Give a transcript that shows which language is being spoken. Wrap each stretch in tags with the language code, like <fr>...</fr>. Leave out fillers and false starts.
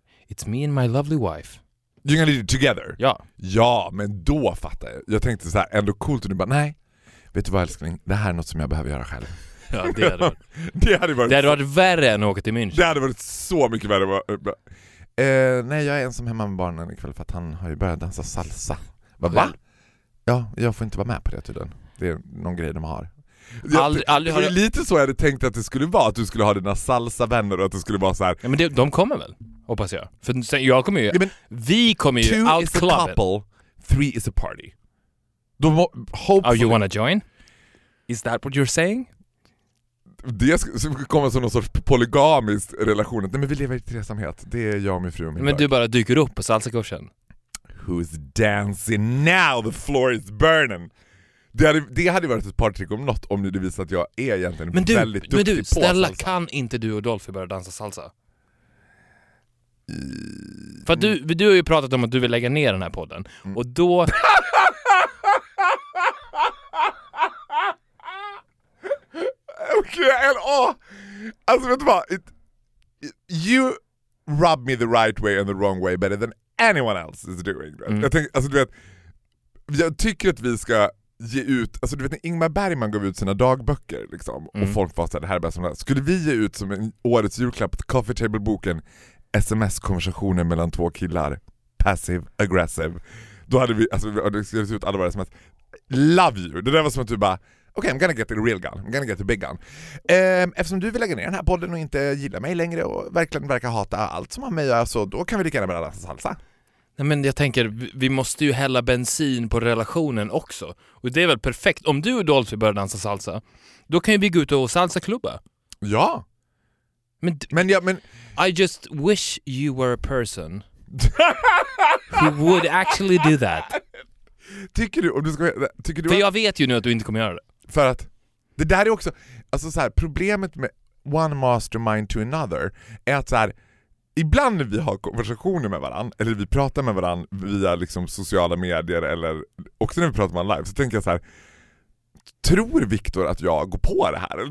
<en>It's me and my lovely wife. You're gonna do it together?</en> <sv>Ja. Ja, men då fattar jag. Jag tänkte så här, ändå coolt, och du bara, nej, vet du vad älskling, det här är något som jag behöver göra själv. Ja, det hade varit. Det hade varit värre än åka till München. Det hade varit så mycket värre. Nej, jag är ensam hemma med barnen ikväll för att han har ju börjat dansa salsa. Va? Va? Ja, jag får inte vara med på det tydligen. Det är någon grej de har. Aldrig har det. Lite så jag hade tänkt att det skulle vara, att du skulle ha dina salsa vänner och att det skulle vara så här. Ja, men de kommer väl, hoppas jag. För sen, jag kommer ju, ja, men, vi kommer ju</sv> <en>out couple, three is a party. Hopefully. Oh, you wanna join? Is that what you're saying?</en> <sv>Det kommer som någon sorts polygamisk relation. Nej, men vi lever i tresamhet. Det är jag och min fru och min Men dag. Du bara dyker upp på salsakursen.</sv> <en>who's dancing now, the floor is burning.</en> <sv>Det hade varit ett par trick om något, om det visar att jag är egentligen men du, väldigt duktig. Men du, snälla, kan inte du och Dolphy börja dansa salsa? För att du har ju pratat om att du vill lägga ner den här podden. Mm. Och då... Okej, alltså vet du vad?</sv> <en>You rub me the right way and the wrong way better than anyone else is doing. Mm.</en> <sv>Jag tycker att vi ska ge ut, alltså du vet när Ingmar Bergman gav ut sina dagböcker liksom, mm. och folk var så här, det här är bäst som det här. Skulle vi ge ut som en årets julklapp till Coffee Table-boken SMS-konversationer mellan två killar,</sv> <en>passive, aggressive,</en> <sv>då hade vi, alltså vi hade skrivit ut alla våra sms,</sv> <en>love you.</en> <sv>Det där var som att du bara,</sv> <en>okay, I'm gonna get the real gun, I'm gonna get the big gun.</en> <sv>Eftersom du vill lägga ner den här podden och inte gillar mig längre och verkligen verkar hata allt som har med att göra, så då kan vi lika gärna börja dansa salsa. Nej, men jag tänker, vi måste ju hälla bensin på relationen också. Och det är väl perfekt. Om du och Dolphy börjar dansa salsa, då kan ju vi gå ut och salsa klubba. Ja.</sv> <en>Men I just wish you were a person who would actually do that.</en> <sv>Tycker du, om du ska, tycker du för att, jag vet ju nu att du inte kommer göra det. För att det där är också, alltså så här, problemet med</sv> <en>one mastermind to another</en> <sv>är att så här, ibland när vi har konversationer med varann, eller vi pratar med varann via liksom sociala medier, eller också när vi pratar med en live, så tänker jag så här, tror Viktor att jag går på det här?</sv>